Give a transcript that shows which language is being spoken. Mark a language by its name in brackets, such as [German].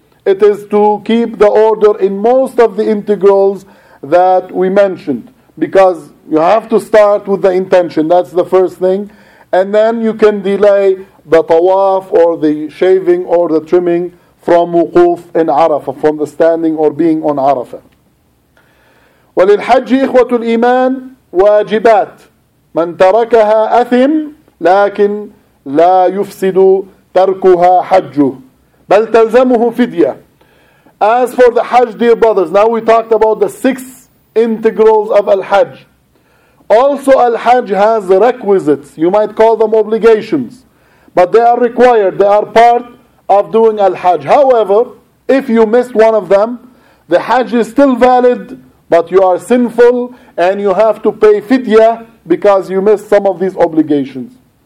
[English] It is to keep the order in most of the integrals that we mentioned. Because you have to start with the intention, that's the first thing. And then you can delay the tawaf or the shaving or the trimming from wukuf in Arafah, from the standing or being on Arafah. [Arabic] وَلِلْحَجِّ إِخْوَةُ الْإِيمَانِ واجبات من تركها أثم لكن لا يفسد تركها حجه بل تلزمه فدية. [English] As for the Hajj, dear brothers, now we talked about the six integrals of Al-Hajj. Also Al-Hajj has requisites. You might call them obligations, but they are required. They are part of doing Al-Hajj. However, if you missed one of them, the Hajj is still valid, but you are sinful and you have to pay fidya because you missed some of these obligations.